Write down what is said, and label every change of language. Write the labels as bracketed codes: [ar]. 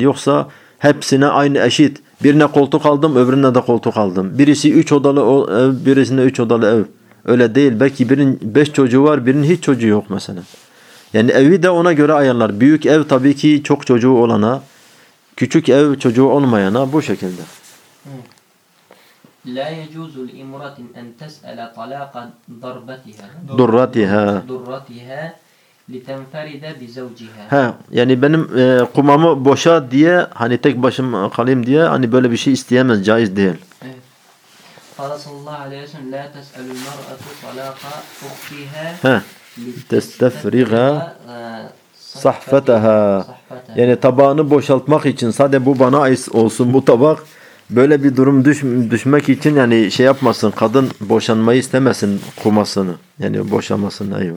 [tr] Yoksa hepsine aynı eşit, birine koltuk aldım, öbürüne de koltuk aldım. Birisi 3 odalı ev, birisine 3 odalı ev. Öyle değil. Belki birinin 5 çocuğu var, birinin hiç çocuğu yok mesela. Yani evi de ona göre ayarlar. Büyük ev tabii ki çok çocuğu olana, küçük ev çocuğu olmayana bu şekilde. [ar] لا يجوز لامرأة أن تسأل طلاق ضربتها. ضرتها. ضرتها لتنفرد بزوجها. [tr] ها يعني benim kumamı boşa diye hani tek başım kalayım diye hani böyle bir şey isteyemez, caiz değil. [ar] قال صلى الله عليه وسلم لا تسأل المرأة طلاق أختها لتستفرغ sahfetaha. [tr] Yani tabağını boşaltmak için, sadece bu bana olsun bu tabak, böyle bir durum düşmek için yani şey yapmasın, kadın boşanmayı istemesin, kumasını yani boşamasın.